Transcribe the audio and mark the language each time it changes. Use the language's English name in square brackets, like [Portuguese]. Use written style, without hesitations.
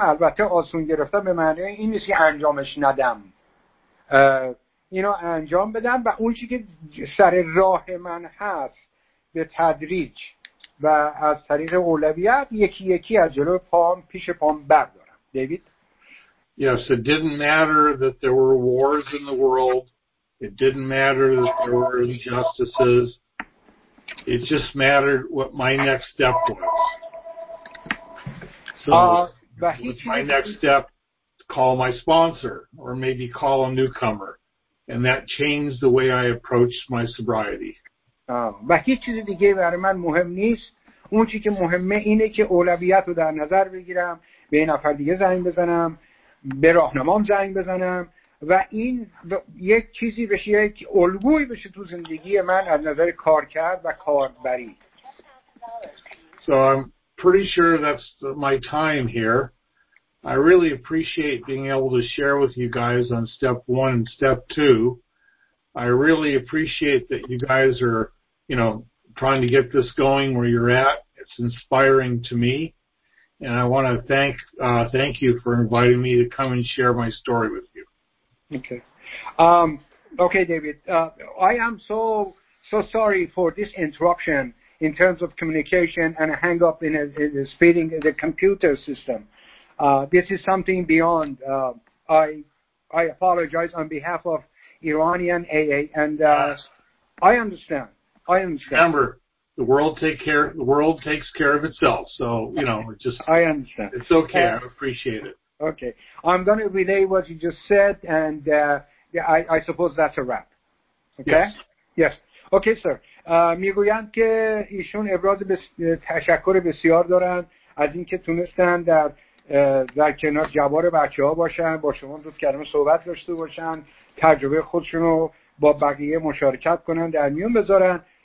[Persian] البته آسون گرفتن به معنی این نیست که انجامش ندم، اینو انجام بدم و اون چی که سر راه من هست به تدریج و از طریق اولویت یکی یکی از جلو پام پیش پام بردارم. دیوید؟ [English] Yes, it didn't matter that there were wars in the world. It didn't matter that there were injustices. It just mattered what my next step was. So what's my next step? Call my sponsor or maybe call a newcomer. And that changed the way I approached my sobriety. [Persian] و هیچ چیز دیگه برای من مهم نیست. اون چیزی که مهمه اینه که اولویت رو در نظر بگیرم، به این نفر دیگه زنگ بزنم، به راهنمام زنگ بزنم و این یک چیزی بشه، یک الگوی بشه تو زندگی من از نظر کار کرد و کار بری. [English] So I'm pretty sure that's my time here. I really appreciate being able to share with you guys on step one and step two. I really appreciate that you guys are, you know, trying to get this going where you're at. It's inspiring to me. And I want to thank you for inviting me to come and share my story with you. Okay. Okay, David. I am so sorry for this interruption in terms of communication and a hang up in the speeding of the computer system. This is something beyond. I apologize on behalf of Iranian AA, and I understand. I understand. Remember, the world takes care of itself. So, you know, it just. I understand. It's okay. I appreciate it. Okay. I'm going to relay what you just said, and I suppose that's a wrap. Okay? Yes. Okay, sir. [Persian] میگویند که ایشون ابراز تشکر بسیار دارن از اینکه تونستن در کنار جوار بچه ها باشن، با شما دو کلمه صحبت داشته باشن، تجربه خودشون رو با بقیه مشارکت کنن، در میون بذارن.